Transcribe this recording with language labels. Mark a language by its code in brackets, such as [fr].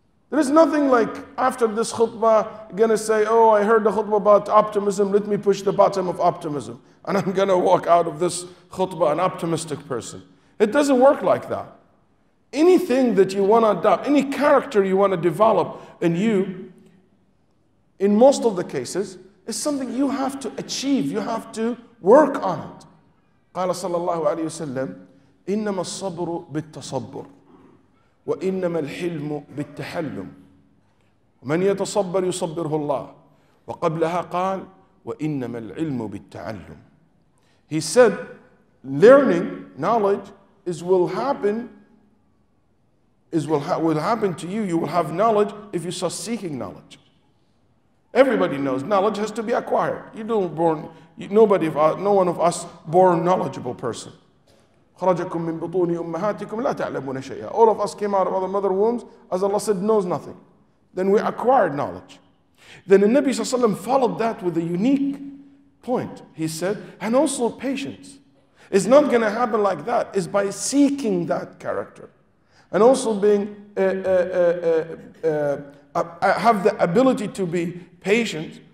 [en] There is nothing like after this khutbah, gonna say, oh, I heard the khutbah about optimism, let me push the button of optimism, and I'm going to walk out of this khutbah an optimistic person. It doesn't work like that. Anything that you want to adopt, any character you want to develop in you, in most of the cases, is something you have to achieve. You have to work on it. [ar] قال صلى الله عليه وسلم إنما الصبر بالتصبر وإنما الحلم بالتحلم ومن يتصبر يصبره الله وقبلها قال وإنما العلم بالتعلم. [en] He said, learning, knowledge, will happen to you. You will have knowledge if you start seeking knowledge. Everybody knows knowledge has to be acquired. You don't born, no one of us born knowledgeable person. [ar] خرجكم من بطون أمهاتكم لا تعلمون شيئا. [en] All of us came out of our mother wombs, as Allah said, knows nothing. Then we acquired knowledge. Then the Nabi Sallallahu Alaihi Wasallam followed that with a unique point, he said, and also patience. It's not going to happen like that. It's by seeking that character. And also being have the ability to be patient.